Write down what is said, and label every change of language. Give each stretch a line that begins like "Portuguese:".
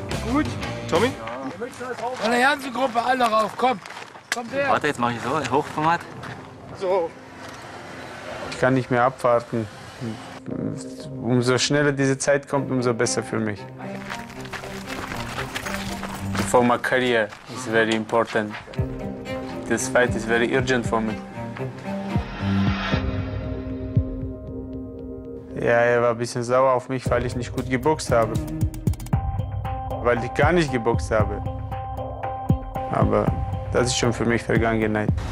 German: Gut. Tommy? Ja. Von der ganzen Gruppe, alle rauf, komm. Kommt her. Warte, jetzt mache ich so, Hochformat. So. Ich kann nicht mehr abwarten. Umso schneller diese Zeit kommt, umso besser für mich.
English: For my career is very important. This fight is very urgent for me.
German: Ja, er war ein bisschen sauer auf mich, weil ich nicht gut geboxt habe. Weil ich gar nicht geboxt habe. Aber das ist schon für mich Vergangenheit.